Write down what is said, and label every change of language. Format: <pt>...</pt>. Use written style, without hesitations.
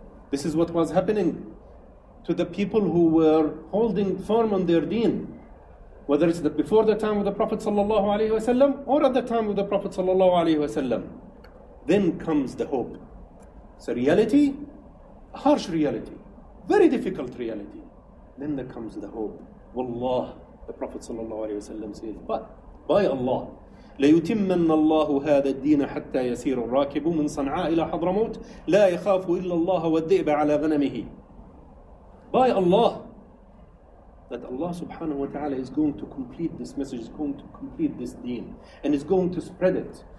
<en>This is what was happening to the people who were holding firm on their deen. Whether it's before the time of the Prophet ﷺ or at the time of the Prophet ﷺ. Then comes the hope. It's a reality, a harsh reality. Very difficult reality. Then there comes the hope.</en> <ar>Wallah,</ar> <en>the Prophet ﷺ says, but by Allah,</en> <ar>لَيُتِمَّنَّ اللَّهُ هَذَا الدِّينَ حَتَّى يَسِيرُ الرَّاكِبُ مِنْ صَنْعَاءِ إِلَى حَضْرَمُوتِ لَا يَخَافُ إِلَّا اللَّهَ وَالذِّئْبَ عَلَى غَنَمِهِ.</ar> <en>By Allah, that Allah subhanahu wa ta'ala is going to complete this message, is going to complete this deen, and is going to spread it.</en>